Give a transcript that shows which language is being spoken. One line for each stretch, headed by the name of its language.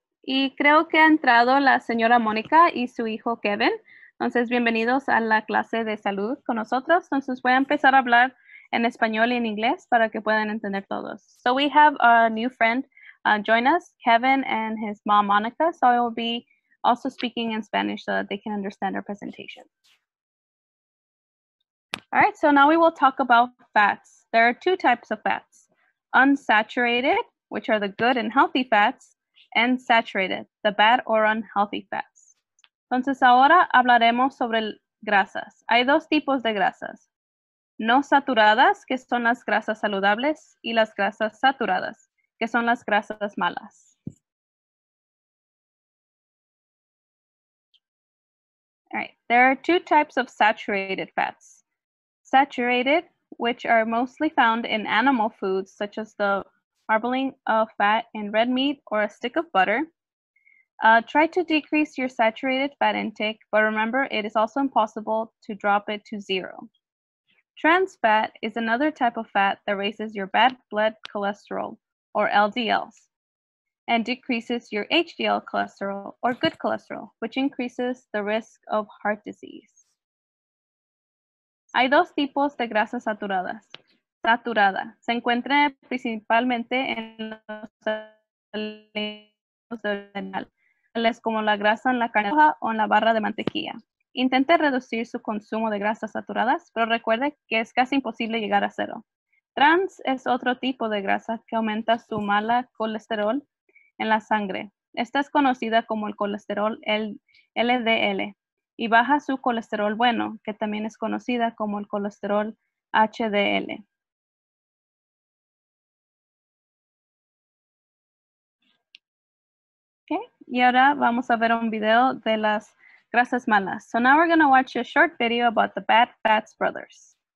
Spanish: Y creo que ha entrado la señora Mónica y su hijo Kevin. Entonces, bienvenidos a la clase de salud con nosotros. Entonces, voy a empezar a hablar en español y en inglés para que puedan entender todos.
English: So, we have a new friend join us, Kevin and his mom, Mónica. So, I will be also speaking in Spanish so that they can understand our presentation. All right, so now we will talk about fats. There are 2 types of fats. Unsaturated, which are the good and healthy fats, and saturated, the bad or unhealthy fats.
Spanish: Entonces ahora hablaremos sobre grasas. Hay 2 tipos de grasas. No saturadas, que son las grasas saludables, y las grasas saturadas, que son las grasas malas.
English: All right, there are 2 types of saturated fats. Saturated, which are mostly found in animal foods, such as the marbling of fat in red meat or a stick of butter. Try to decrease your saturated fat intake, but remember it is also impossible to drop it to 0. Trans fat is another type of fat that raises your bad blood cholesterol or LDLs. and decreases your HDL cholesterol or good cholesterol, which increases the risk of heart disease.
Spanish: Hay dos tipos de grasas saturadas. Saturada. Se encuentra principalmente en los alimentos de origen animal, como la grasa en la carne roja o en la barra de mantequilla. Intente reducir su consumo de grasas saturadas, pero recuerde que es casi imposible llegar a cero. Trans es otro tipo de grasa que aumenta su mala colesterol en la sangre. Esta es conocida como el colesterol LDL y baja su colesterol bueno, que también es conocida como el colesterol HDL. Okay. Y ahora vamos a ver un video de las grasas malas.
English: So now we're going to watch a short video about the Bad Fats Brothers.